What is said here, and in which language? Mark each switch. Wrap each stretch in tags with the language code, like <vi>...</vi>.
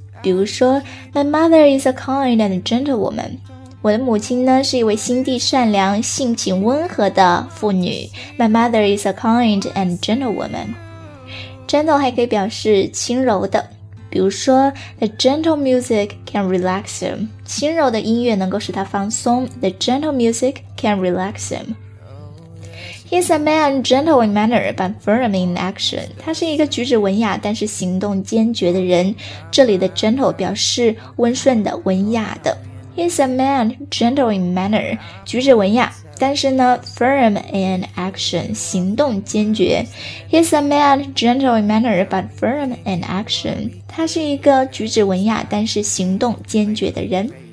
<zh>比如说</zh> <en>My mother is a kind and gentle woman.</en> <zh>我的母亲呢是一位心地善良、性情温和的妇女。</zh> <en>My mother is a kind and gentle woman. Gentle</en> <zh>还可以表示轻柔的。比如说</zh> <en>The gentle music can relax him.</en> <zh>轻柔的音乐能够使他放松。</zh> <en>The gentle music can relax him. He's a man gentle in manner but firm in action.</en> <zh>他是一个举止文雅但是行动坚决的人。这里的 gentle 表示温顺的、文雅的。</zh> <en>He's a man gentle in manner.</en> <zh>举止文雅但是呢</zh> <en>firm in action,</en> <zh>行动坚决。</zh> <en>He's a man gentle in manner but firm in action.</en> <zh>他是一个举止文雅但是行动坚决的人。</zh>